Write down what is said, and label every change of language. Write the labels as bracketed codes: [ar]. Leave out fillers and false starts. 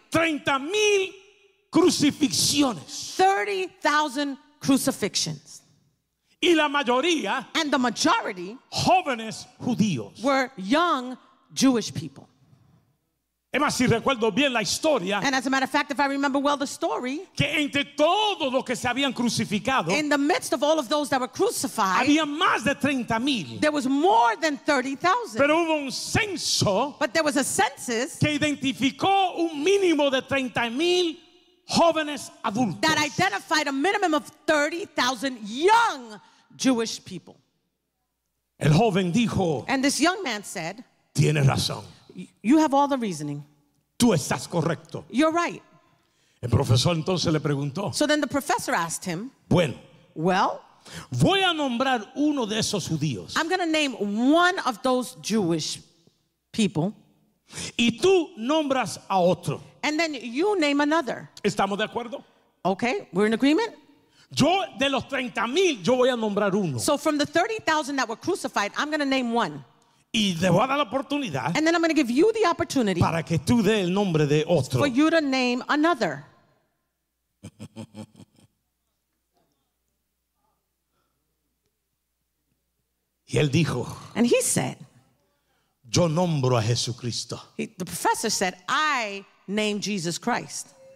[es] 30,000 crucifixiones. [en] 30,000 crucifixions. [es] Y la mayoría. [en] And the majority. [es] Jóvenes judíos. [en] Were young Jewish people. [es] Es más, si recuerdo bien la historia. [en] And as a matter of fact, if I remember well the story. [es] Que entre todos los que se habían crucificado. [en] In the midst of all of those that were crucified. [es] Había más de 30,000. [en] There was more than 30,000. [es] Pero hubo un censo. [en] But there was a census. [es] Que identificó un mínimo de 30,000 jóvenes adultos. [en] That identified a minimum of 30,000 young Jewish people. [es] El joven dijo. [en] And this young man said. [es] Tiene razón. [en] You have all the reasoning. [es] Tú estás correcto. [en] You're right. [es] El profesor entonces le preguntó. [en] So then the professor asked him. [es] Bueno. [en] Well. [es] Voy a nombrar uno de esos judíos. [en] I'm going to name one of those Jewish people. [es] Y tú nombras a otro. [en] And then you name another. [es] ¿Estamos de acuerdo? [en] Okay, we're in agreement. [es] Yo de los 30,000 yo voy a nombrar uno. [en] So from the 30,000 that were crucified, I'm going to name one. [es] Y le voy a dar la oportunidad. [en] And then I'm going to give you the opportunity. [es] Para que tú dé el nombre de otro. [en] For you to name another. [es] Y él dijo. [en] And he said. [es] Yo nombro a Jesucristo. [en] The professor said, I name Jesus Christ.